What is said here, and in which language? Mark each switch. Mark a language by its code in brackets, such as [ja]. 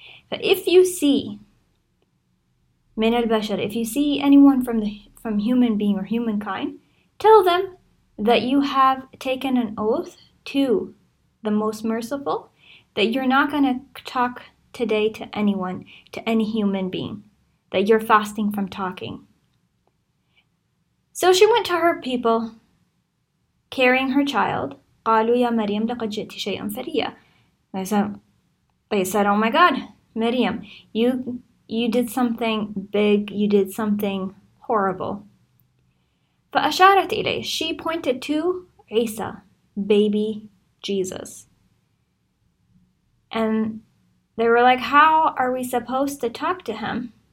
[en] But if you see [ar] من البشر, [en] if you see anyone from human being or humankind, tell them that you have taken an oath to the Most Merciful that you're not going to talk today to anyone, to any human being, that you're fasting from talking. So she went to her people carrying her child. [ar] قالوا يا مريم لقد جئت شيئا فريا. [en] They said, oh my God, Maryam, you did something big, you did something horrible. [ar] فأشارت إليه, [en] she pointed to عيسى, baby Jesus. And they were like, how are we supposed to talk to him?